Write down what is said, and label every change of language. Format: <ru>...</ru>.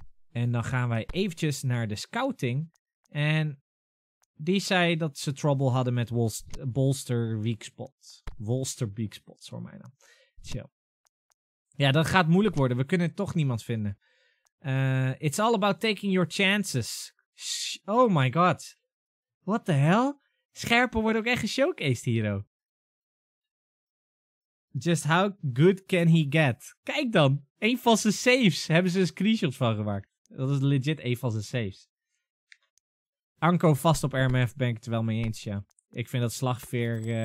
<nl>En dan gaan wij eventjes naar de scouting. En die zei dat ze trouble hadden met Bolster Weak Spot. Bolster Weak Spot, voor mij dan. Chill. Ja, dat gaat moeilijk worden. We kunnen toch niemand vinden.</nl> <en>It's all about taking your chances. Oh my god. What the hell?</en> <nl>Scherpen wordt ook echt geshowcased hiero.</nl> <en>Just how good can he get?</en> <nl>Kijk dan. Een van zijn saves. Hebben ze een screenshot van gemaakt. Dat is legit een van zijn saves. Anko vast op RMF ben ik het wel mee eens, ja. Ik vind dat slagveer...</nl>